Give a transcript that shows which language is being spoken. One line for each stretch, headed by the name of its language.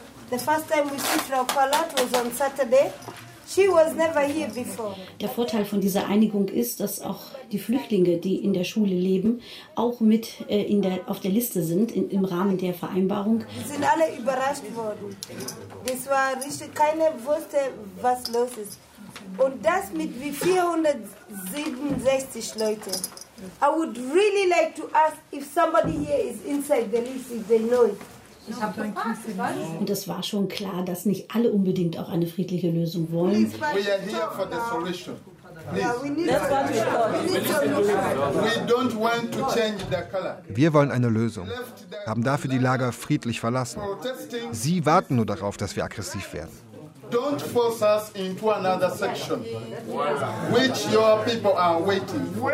German: Der Vorteil von dieser Einigung ist, dass auch die Flüchtlinge, die in der Schule leben, auch mit auf der Liste sind im Rahmen der Vereinbarung. Wir sind alle überrascht worden. Das war richtig, keiner wusste, was los ist. Und das mit wie 467 Leuten.
English: I would really like to ask if somebody here is inside the list, if they know it.
German: Und es war schon klar, dass nicht alle unbedingt auch eine friedliche Lösung wollen.
English: We are here for the solution.
German: Wir wollen eine Lösung, haben dafür die Lager friedlich verlassen. Sie warten nur darauf, dass wir aggressiv werden.
English: Don't force us into another section, which your people are waiting.